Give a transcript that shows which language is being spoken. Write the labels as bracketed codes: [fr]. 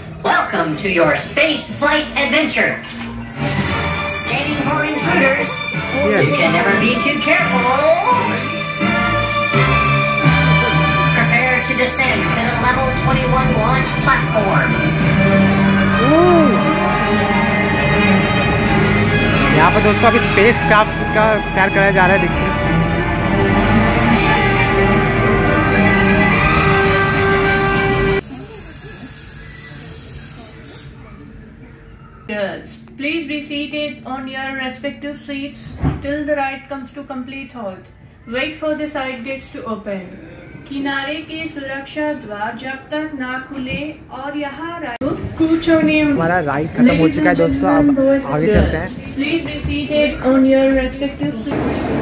[en] Welcome to your space flight adventure. Scanning for intruders. You can never be too careful. Prepare to descend to the level 21 launch platform. [hi] यहाँ पर दोस्तों अभी space craft का तैयार कराया जा रहा है। देखिए [en] please be seated on your respective seats till the ride comes to complete halt. Wait for the side gates to open. [hi] किनारे के सुरक्षा द्वार जब तक ना खुले और यहाँ राइट कुछ होने हमारा राइट खत्म हो चुका है दोस्तों, अब आगे चलते हैं। [en] Please be seated on your respective seats.